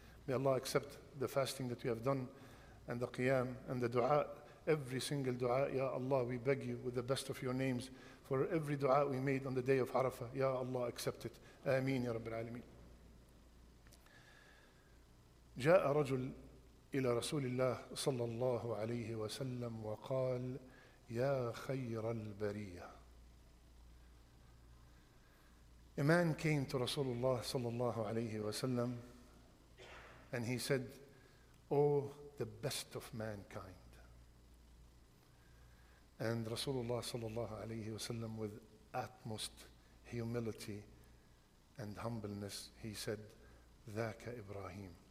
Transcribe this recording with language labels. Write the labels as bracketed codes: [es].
[en] May Allah accept the fasting that we have done and the qiyam and the dua. Every single dua, Ya Allah, we beg you with the best of your names for every dua we made on the day of Arafah. Ya Allah, accept it. Ameen, Ya Rabbil Alameen. [ar] جاء رجل إلى رسول الله صلى الله عليه وسلم وقال يا خير البرية. [en] A man came to Rasulullah [ar] صلى الله عليه وسلم [en] and he said, Oh, the best of mankind. And Rasulullah sallallahu alayhi wa sallam, with utmost humility and humbleness, he said, Thaka Ibrahim.